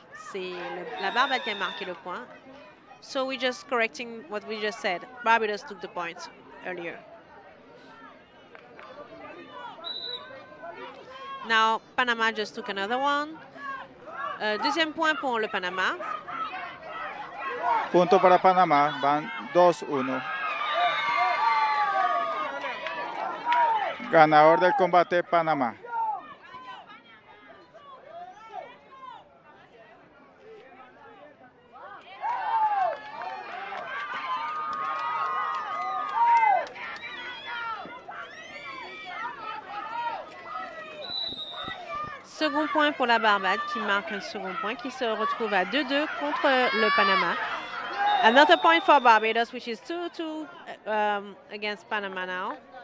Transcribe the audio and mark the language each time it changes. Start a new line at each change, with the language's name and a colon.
French: C'est la Barbade qui a marqué le point.
English: So we're just correcting what we just said. Barbados took the point earlier. Now Panama just took another one.
French: Deuxième point pour le Panama.
Spanish: Punto para Panama. Van 2-1. Ganador del combate, Panamá.
French: Second point pour la Barbade qui marque un second point qui se retrouve à 2-2 contre le Panama.
English: Another point for Barbados, which is 2-2 against Panama now.